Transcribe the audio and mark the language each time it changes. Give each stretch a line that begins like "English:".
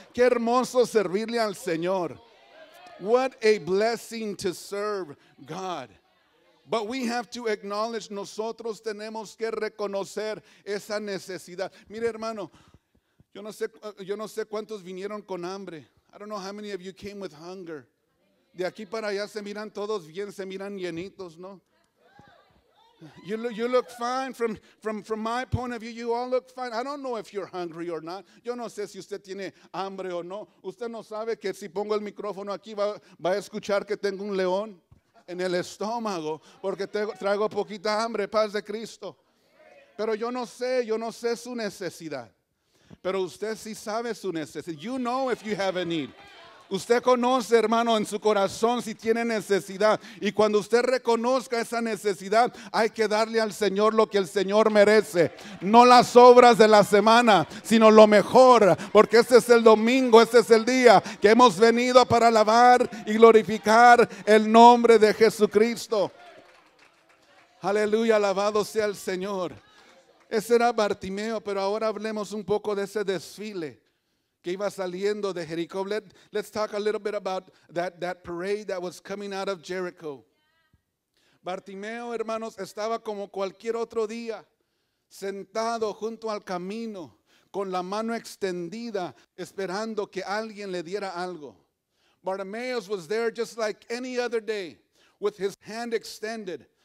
Spanish: Qué hermoso servirle al Señor.
English: What a blessing to serve God. But we have to acknowledge,
Spanish: nosotros tenemos que reconocer esa necesidad. Mire, hermano, yo no sé cuántos vinieron con hambre.
English: I don't know how many of you came with hunger.
Spanish: De aquí para allá se miran todos bien, se miran llenitos, ¿no?
English: You look fine from my point of view. You all look fine. I don't know if you're hungry or not.
Spanish: Yo no sé si usted tiene hambre o no. Usted no sabe que si pongo el micrófono aquí va a escuchar que tengo un león en el estómago porque traigo poquita hambre. Paz de Cristo. Pero yo no sé su necesidad. Pero usted sí sabe su necesidad.
English: You know if you have a need.
Spanish: Usted conoce, hermano, en su corazón si tiene necesidad. Y cuando usted reconozca esa necesidad, hay que darle al Señor lo que el Señor merece. No las obras de la semana, sino lo mejor. Porque este es el domingo, este es el día que hemos venido para alabar y glorificar el nombre de Jesucristo. Aleluya, alabado sea el Señor. Ese era Bartimeo, pero ahora hablemos un poco de ese desfile que iba saliendo de Jericó.
English: Let's talk a little bit about that parade that was coming out of Jericho.
Spanish: Bartimeo, hermanos, estaba como cualquier otro día, sentado junto al camino, con la mano extendida, esperando que alguien le diera algo.
English: Bartimeo was there just like any other day, with his hand extended,